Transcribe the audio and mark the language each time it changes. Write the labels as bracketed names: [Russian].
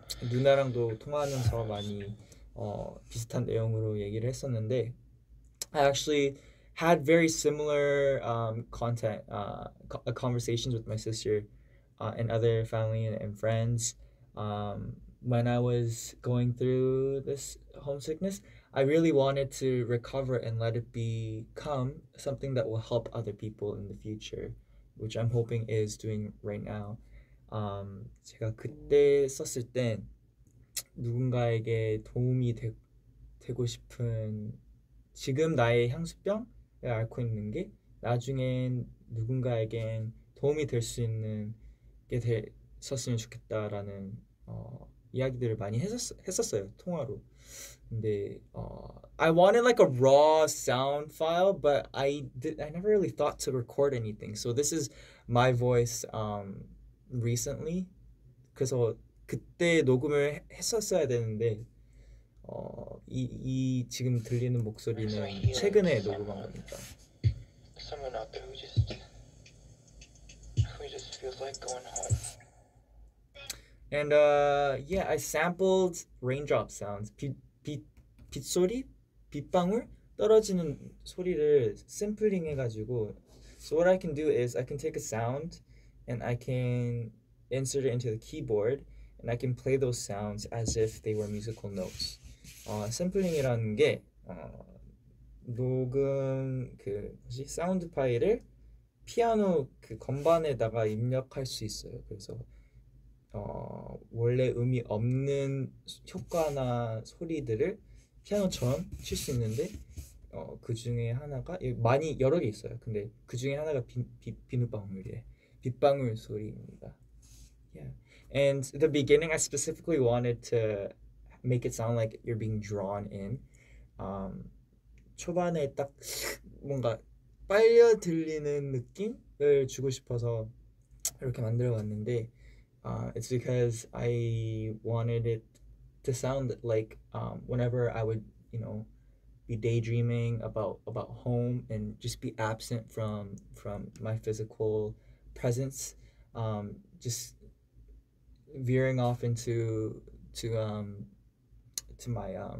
[Korean] 누나랑도 통화하면서 많이 비슷한 내용으로 얘기를 했었는데, [English] I actually had very similar content conversations with my sister and other family and friends when I was going through this homesickness. I really wanted to recover and let it become something that will help other people in the future, which I'm hoping is doing right now. [Korean] 제가 그때 썼을 땐 누군가에게 도움이 되고 싶은 지금 나의 향수병을 앓고 있는 게 나중엔 누군가에겐 도움이 될수 있는 게 됐었으면 좋겠다라는 이야기들을 많이 했었어요, 통화로. [English] 근데 I wanted like a raw sound file, but I never really thought to record anything. So this is my voice recently. [Korean] 그래서 그때 녹음을 했었어야 되는데 이 지금 들리는 목소리는 최근에 녹음한 거니까. [English] Someone out there who just feels like going home. And yeah, I sampled raindrop sounds. [Korean] 빗소리? 빗방울 떨어지는 소리를 샘플링 해가지고 [English] So what I can do is I can take a sound and I can insert it into the keyboard and I can play those sounds as if they were musical notes. [Korean] 샘플링이라는 게 녹음 그 뭐지? 사운드 파일을 피아노 그 건반에다가 입력할 수 있어요. 그래서 원래 음이 없는 효과나 소리들을 피아노처럼 칠수 있는데 그 중에 하나가 많이 여러 개 있어요. 근데 그 중에 하나가 비눗방울이에요. 빗방울 소리입니다. Yeah. [English] And the beginning, I specifically wanted to make it sound like you're being drawn in. [Korean] 초반에 딱 뭔가 빨려 들리는 느낌을 주고 싶어서 이렇게 만들어 봤는데 [English] it's because I wanted it to sound like whenever I would you know, be daydreaming about home and just be absent from my physical presence, just veering off into to my